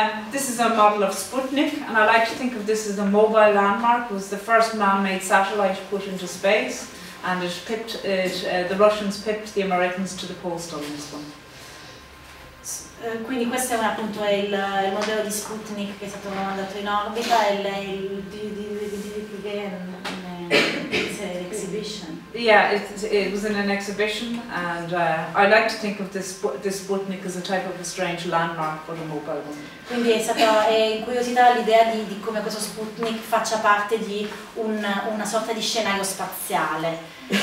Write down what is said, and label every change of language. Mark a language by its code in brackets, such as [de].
[en] This is a model of Sputnik, and I like to think of this as a mobile landmark. It was the first man-made satellite put into space, and the Russians pipped the Americans to the post on this one. [it] Quindi questo è appunto il modello di Sputnik che è stato mandato in orbita, exhibition. [en] Yeah, it was in an exhibition, and I like to think of this Sputnik as a type of a strange landmark for the mobile one. [it] Quindi è stata incuriosita l'idea di come questo Sputnik faccia parte di una sorta di scenario spaziale.